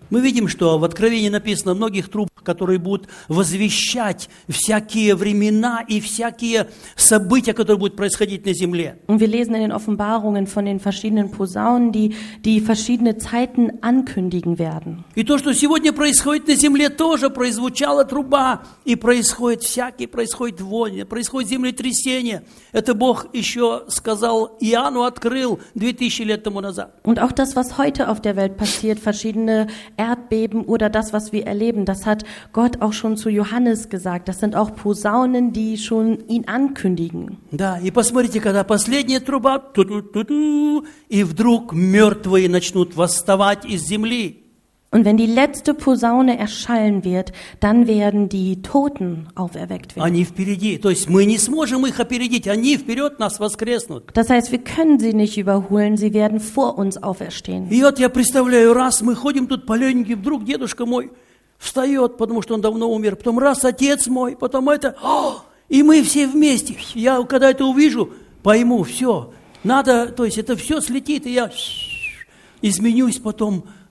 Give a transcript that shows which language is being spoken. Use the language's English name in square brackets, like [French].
[Russian] Мы видим, что в Откровении написано о многих трубах, которые будут возвещать всякие времена и всякие события, которые будут происходить на земле. [German] Und wir lesen in den Offenbarungen von den verschiedenen Posaunen, die verschiedene Zeiten ankündigen werden. [Russian] И то, что сегодня происходит на земле, тоже прозвучала труба, и происходит всякие, происходит войны, происходит землетрясение. Это Бог еще сказал Иоанну, открыл 2000 лет тому назад. [German] Und auch das, was heute auf der Welt passiert, verschiedene Erdbeben oder das, was wir erleben, das hat Gott auch schon zu Johannes gesagt. Das sind auch Posaunen, die schon ihn ankündigen. [Russian] Да, и посмотрите, когда последняя труба, и вдруг мертвые начнут восставать из земли. [German] Und wenn die letzte Posaune erschallen wird, dann werden die Toten auferweckt werden. [Russian] Они впереди. То есть мы не сможем их опередить. Они вперед нас воскреснут. [German] Das heißt, wir können sie nicht überholen. Sie werden vor uns auferstehen. [Russian] И вот я представляю, раз мы ходим тут по Ленинге, вдруг дедушка мой встает, потому что он давно умер. Потом раз отец мой, потом это. О! И мы все вместе. Я когда это увижу, пойму, все. Надо, то есть это все слетит, и я изменюсь потом.